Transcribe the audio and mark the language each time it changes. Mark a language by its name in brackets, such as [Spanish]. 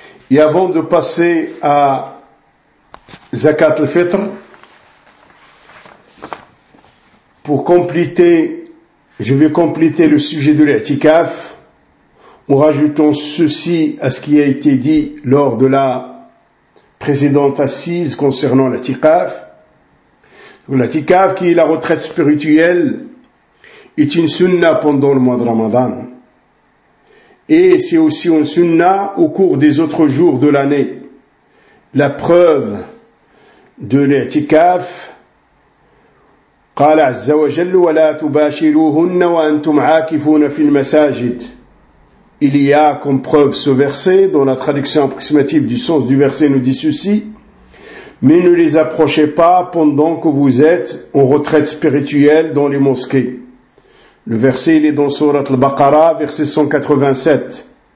[French] Et avant de passer à Zakat al-Fitr, pour compléter, je vais compléter le sujet de l'i'tikaf en rajoutant ceci à ce qui a été dit lors de la précédente assise concernant l'i'tikaf. L'i'tikaf, qui est la retraite spirituelle, est une sunna pendant le mois de Ramadan. Et c'est aussi une sunna au cours des autres jours de l'année. La preuve de l'i'tikaf, [Arabic] قال عز وجل ولا تباشروهن وانتم عاكفون في المساجد. [French] Il y a comme preuve ce verset dont la traduction approximative du sens du verset nous dit ceci: mais ne les approchez pas pendant que vous êtes en retraite spirituelle dans les mosquées. Le verset, il est dans sourate al-Baqara, verset 187.